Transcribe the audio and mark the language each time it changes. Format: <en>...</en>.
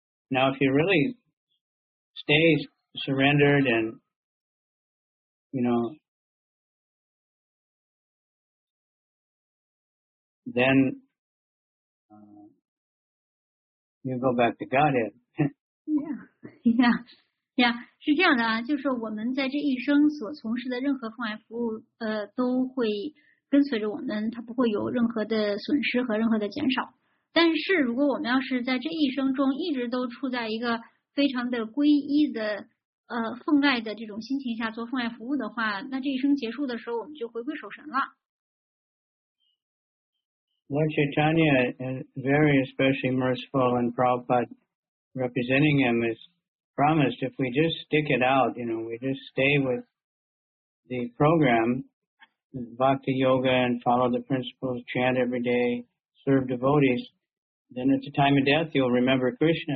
<en>Now, if you really stay surrendered and, you know, then you go back to Godhead. Yeah, yeah, yeah.</en> <zh>是这样的啊，就是我们在这一生所从事的任何奉爱服务，都会。跟随着我们，它不会有任何的损失和任何的减少。但是如果我们要是在这一生中一直都处在一个非常的皈依的奉爱的这种心情下做奉爱服务的话，那这一生结束的时候我们就回归守神了。</zh> <en>Lord Chaitanya is very especially merciful and Prabhupada representing him is promised if we just stick it out, you know, we just stay with the program,Bhakti yoga and follow the principles, chant every day, serve devotees, then at the time of death you'll remember Krishna.</en>